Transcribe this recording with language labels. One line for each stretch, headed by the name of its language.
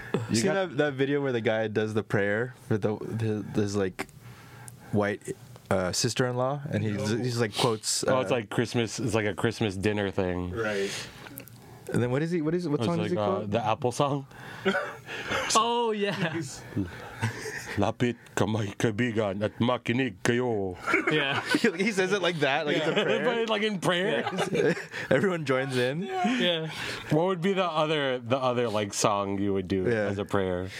English: You see that video where the guy does the prayer with the this like white sister-in-law, and he's like quotes. It's like Christmas. It's like a Christmas dinner thing. Right. And then what is he? What is? What song is he called? The Apple Song. Oh yes.
Filipino: Lapit kamay kaibigan at makinig kayo.
English: Yeah. He says it like that, like it's a prayer. But like in prayer. Yeah. Everyone joins in. Yeah. What would be the other like song you would do as a prayer?